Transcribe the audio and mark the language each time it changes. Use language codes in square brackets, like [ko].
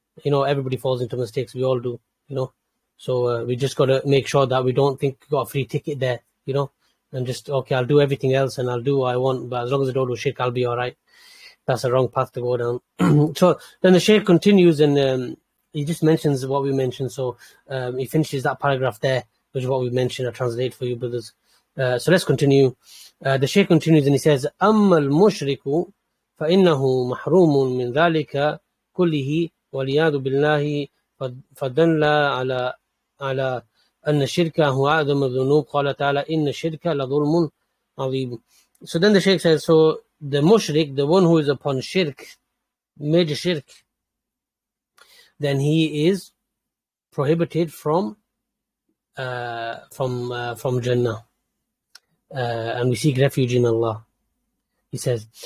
[en] Everybody falls into mistakes. We all do, So we just got to make sure that we don't think we've got a free ticket there, And just, okay, I'll do everything else and I'll do what I want, but as long as I don't do shirk, I'll be all right. That's the wrong path to go down. So then the Shaykh continues and he just mentions what we mentioned. So he finishes that paragraph there, which is what we mentioned. I'll translate for you, brothers. So let's continue. The Shaykh continues and he says, [ar] أَمَّا الْمُشْرِكُ فَإِنَّهُ مَحْرُومٌ مِّنْ ذَلِكَ كُلِّهِ وَلِيَادُ بِاللَّهِ فَدَلَّ عَلَى أن الشركة هو أعظم الذنوب قال تعالى إن الشركة لظلم عظيم. [en] So then the Shaykh says, so the mushrik, the one who is upon shirk, major shirk, then he is prohibited from Jannah, and we seek refuge in Allah, he says.